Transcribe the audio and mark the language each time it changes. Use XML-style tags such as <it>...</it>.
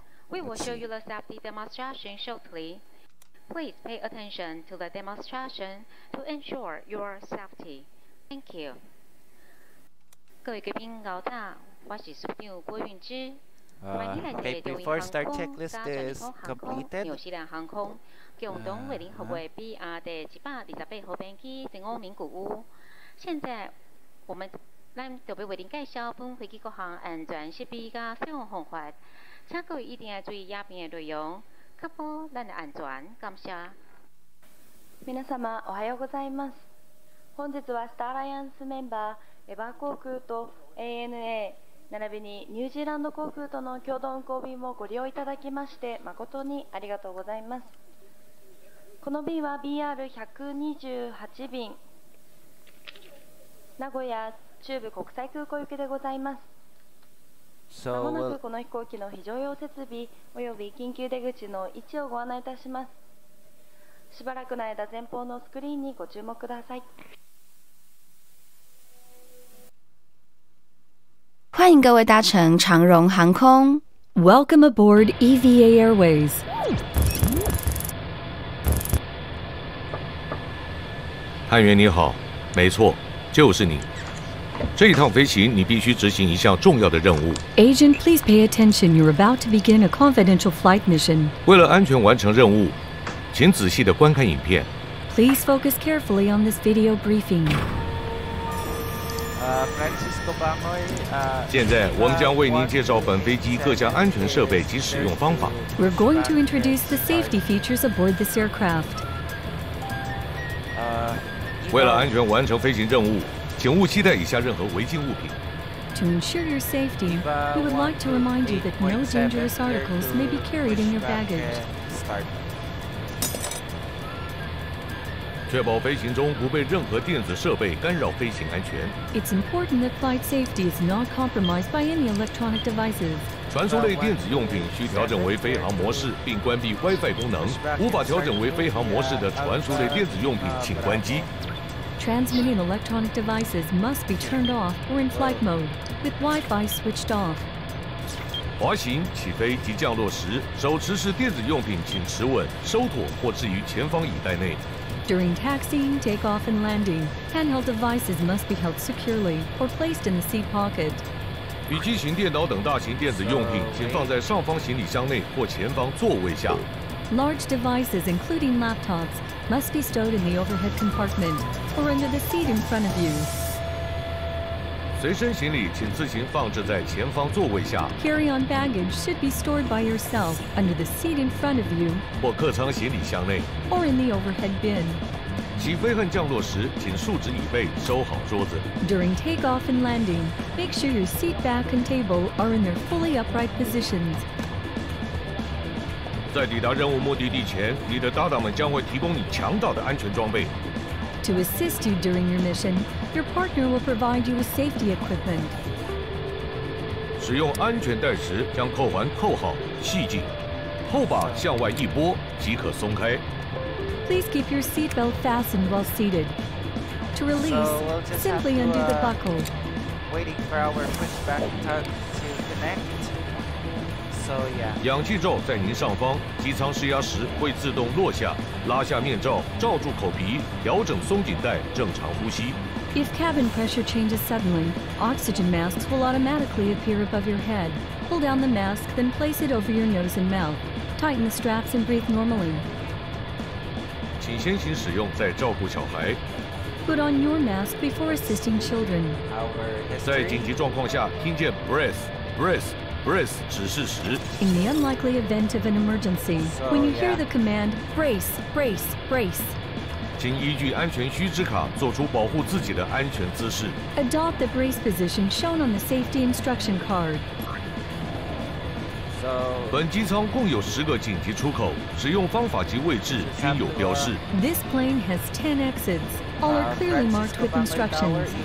<en>We will show you the safety demonstration shortly. Please pay attention to the demonstration to ensure your safety. Thank you.</en> <zh>各位贵宾老大，我是苏定郭运之。</zh> <en>Before start checklist is completed.</en> <zh>纽西兰航空共同为您服务 BR 的128号班机前往名古屋。现在我们。咱特别为您介绍本飞机各项安全设备甲使用方法，请各位一定要注意影片的内容，确保咱的安全。感谢。</zh> <ja>皆様おはようございます。本日はスターアライアンスメンバーエバー航空と ANA 並びにニュージーランド航空との共同運航便をご利用いただきまして誠にありがとうございます。この便は BR128 便、名古屋。中部国際空港行きでございます。まもなくこの飛行機の非常用設備および緊急出口の位置をご案内いたします。しばらくの間前方のスクリーンにご注目ください。</ja> <zh>欢迎各位搭乘长荣航空。</zh> <en>Welcome aboard EVA Airways.</en> <zh>探员你好，没错，就是你。这一趟飞行你必须执行一项重要的任务。</zh> <en>Agent, please pay attention. You're about to begin a confidential flight mission.</en> <zh>为了安全完成任务，请仔细地观看影片。</zh> <en>Please focus carefully on this video briefing. Francisco Bamoy,</en> <zh>现在我们将为您介绍本飞机各项安全设备及使用方法。</zh> <en>We're going to introduce the safety features aboard this aircraft.</en> <zh>为了安全完成飞行任务，请勿携带以下任何违禁物品。</zh> <en>To ensure your safety, we would like to remind you that no dangerous articles may be carried in your baggage.</en> <zh>确保飞行中不被任何电子设备干扰飞行安全。</zh> <en>It's important that flight safety is not compromised by any electronic devices.</en> <zh>传输类电子用品需调整为飞行模式，并关闭 WiFi 功能。无法调整为飞行模式的传输类电子用品，请关机。</zh> <en>Transmitting electronic devices must be turned off or in flight mode, with Wi-Fi switched off.</en> <zh>滑行、起飞及降落时，手持式电子用品请持稳、收妥或置于前方椅袋内。</zh> <en>During taxiing, takeoff, and landing, handheld devices must be held securely or placed in the seat pocket.</en> <zh>笔记型电脑等大型电子用品请放在上方行李箱内或前方座位下。</zh> <en>Large devices, including laptops, must be stowed in the overhead compartment or under the seat in front of you.</en> <zh>随身行李请自行放置在前方座位下。</zh> <en>Carry-on baggage should be stored by yourself under the seat in front of you</en> <zh>或客舱行李箱内。</zh> <en>Or in the overhead bin.</en> <zh>起飞和降落时请竖直椅背，收好桌子。</zh> <en>During takeoff and landing, make sure your seat back and table are in their fully upright positions.</en> <zh>在抵达任务目的地前，你的搭档们将会提供你强大的安全装备。</zh> <en>To assist you during your mission, your partner will provide you with safety equipment.</en> <zh>使用安全带时，将扣环扣好，系紧，后把向外一拨即可松开。</zh> <en>Please keep your seat belt fastened while seated. To release, simply undo the buckle. Waiting for our pushback tug to connect.</en> <zh>氧气罩在您上方，机舱施压时会自动落下，拉下面罩，罩住口鼻，调整松紧带，正常呼吸。</zh> <en>If cabin pressure changes suddenly, oxygen masks will automatically appear above your head. Pull down the mask, then place it over your nose and mouth. Tighten the straps and breathe normally.</en> <zh>请先行使用，再照顾小孩。</zh> <en>Put on your mask before assisting children.</en> <zh>在紧急状况下，听见 breath 指示时。</zh> <en>In the unlikely event of an emergency, when you hear the command, brace,</en> <zh>请依据安全须知卡做出保护自己的安全姿势。</zh> <en>Adopt the brace position shown on the safety instruction card.</en> <zh>本机舱共有十个紧急出口，使用方法及位置均有标示。</zh> <en>This plane has 10 exits. All are clearly marked with instructions.</en>